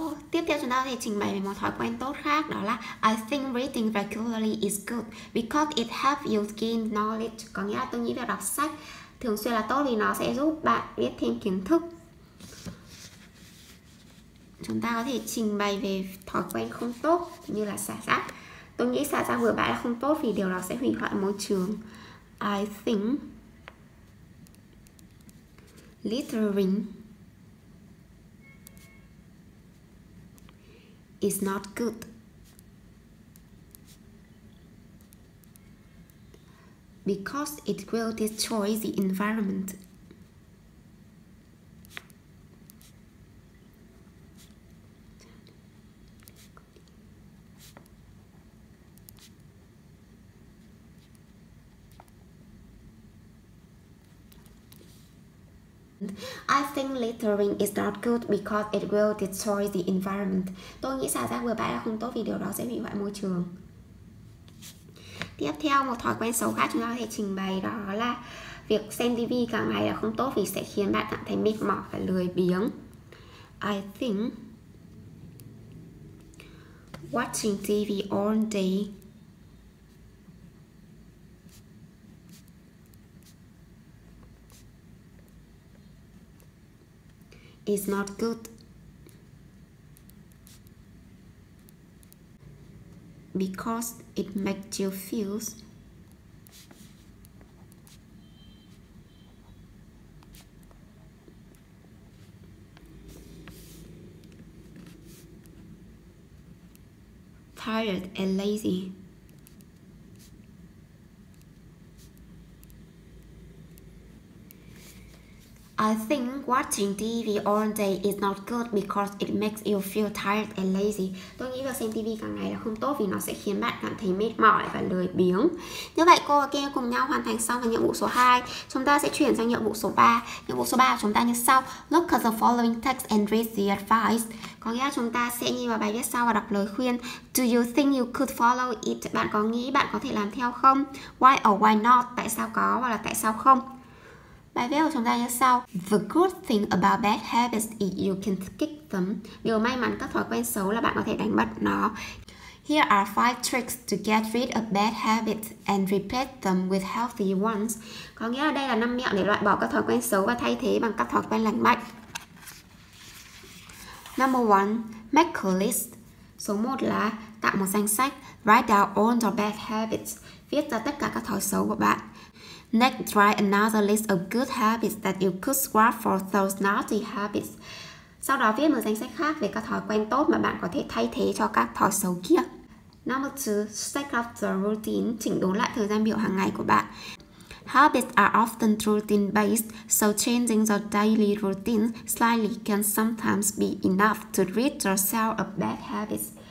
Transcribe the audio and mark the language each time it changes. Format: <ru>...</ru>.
<vi>Tiếp theo chúng ta sẽ trình bày về một thói quen tốt khác, đó là</vi> <en>I think reading regularly is good because it helps you gain knowledge.</en> <vi>Có nghĩa là tôi nghĩ việc đọc sách thường xuyên là tốt vì nó sẽ giúp bạn biết thêm kiến thức. Chúng ta có thể trình bày về thói quen không tốt như là xả rác. Tôi nghĩ xả rác bừa bãi là không tốt vì điều đó sẽ hủy hoại môi trường.</vi> <en>I think littering is not good because it will destroy the environment. I think littering is not good because it will destroy the environment.</en> <vi>Tôi nghĩ xả rác bừa bãi là không tốt vì điều đó sẽ hủy hoại môi trường. Tiếp theo, một thói quen xấu khác chúng ta có thể trình bày đó là việc xem TV cả ngày là không tốt vì sẽ khiến bạn cảm thấy mệt mỏi và lười biếng.</vi> <en>I think watching TV all day is not good because it makes you feel tired and lazy. I think watching TV all day is not good because it makes you feel tired and lazy.</en> <vi>Tôi nghĩ việc xem TV cả ngày là không tốt vì nó sẽ khiến bạn cảm thấy mệt mỏi và lười biếng. Như vậy cô và Kim cùng nhau hoàn thành xong nhiệm vụ số 2. Chúng ta sẽ chuyển sang nhiệm vụ số 3. Nhiệm vụ số 3 của chúng ta như sau.</vi> <en>Look at the following text and read the advice.</en> <vi>Có nghĩa là chúng ta sẽ nhìn vào bài viết sau và đọc lời khuyên.</vi> <en>Do you think you could follow it?</en> <vi>Bạn có nghĩ bạn có thể làm theo không?</vi> <en>Why or why not?</en> <vi>Tại sao có hoặc là tại sao không? Bài viết của chúng ta như sau.</vi> <en>The good thing about bad habits is you can kick them.</en> <vi>Điều may mắn các thói quen xấu là bạn có thể đánh bật nó.</vi> <en>Here are 5 tricks to get rid of bad habits and replace them with healthy ones.</en> <vi>Có nghĩa là đây là 5 mẹo để loại bỏ các thói quen xấu và thay thế bằng các thói quen lành mạnh.</vi> <en>Number 1. Make a list.</en> <vi>Số 1 là tạo một danh sách.</vi> <en>Write down all your bad habits.</en> <vi>Viết ra tất cả các thói xấu của bạn.</vi> <en>Next, try another list of good habits that you could swap for those naughty habits.</en> <vi>Sau đó viết một danh sách khác về các thói quen tốt mà bạn có thể thay thế cho các thói xấu kia.</vi> <en>Number 2, set up the routine,</en> <vi>chỉnh đốn lại thời gian biểu hàng ngày của bạn.</vi> <en>Habits are often routine based, so changing the daily routine slightly can sometimes be enough to rid yourself of bad habits.</en>